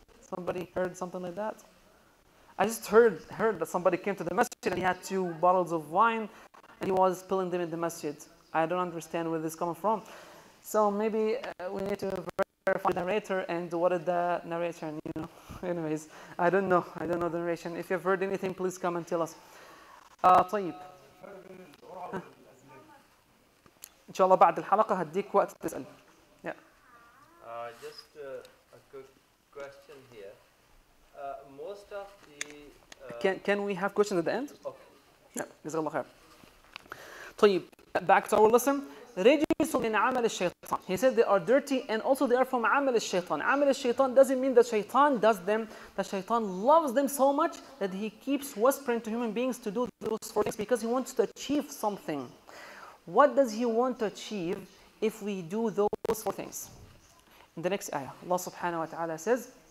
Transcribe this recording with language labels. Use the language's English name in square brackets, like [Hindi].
[English] Somebody heard something like that? I just heard that somebody came to the masjid and he had two bottles of wine and he was spilling them in the masjid. I don't understand where this is coming from. So maybe we need to verify the narrator and what is the narration, you know. Anyways, I don't know. I don't know the narration. If you've heard anything, please come and tell us. [Arabic] طيب ان شاء الله بعد الحلقه هديك وقت تسال [English] just a quick question here most of the can we have questions at the end okay [Arabic] جزاك الله خير طيب [English] back to our lesson [Arabic] رجس من عمل الشيطان [English] he said they are dirty and also they are from عمل الشيطان عمل الشيطان doesn't mean that شيطان does them that شيطان loves them so much that he keeps whispering to human beings to do those four things because he wants to achieve something what does he want to achieve if we do those four things in the next ayah Allah subhanahu wa ta'ala says